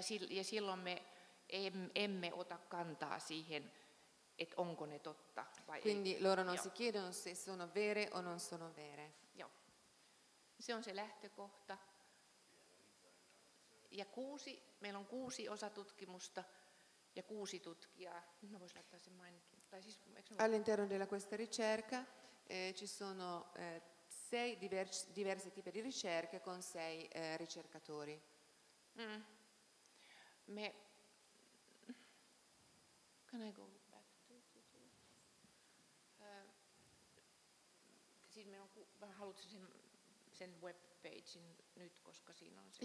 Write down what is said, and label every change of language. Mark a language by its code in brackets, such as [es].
[fi] Ja silloin me emme ota kantaa siihen, että onko ne totta vai [it] quindi [fi] ei. [it] Loro non si chiedono se sono vere o non sono vere. [fi] Joo. Se on se lähtökohta. Ja meillä on 6 osatutkimusta ja 6 tutkijaa. Mä voisin laittaa sen mainittu. [it] All'interno della questa ricerca ci sono 6 diversi tipi di ricerche con 6 ricercatori. Mm. [en] Can I go back to [fi] siis mä haluaisin sen web pagein nyt, koska siinä on se.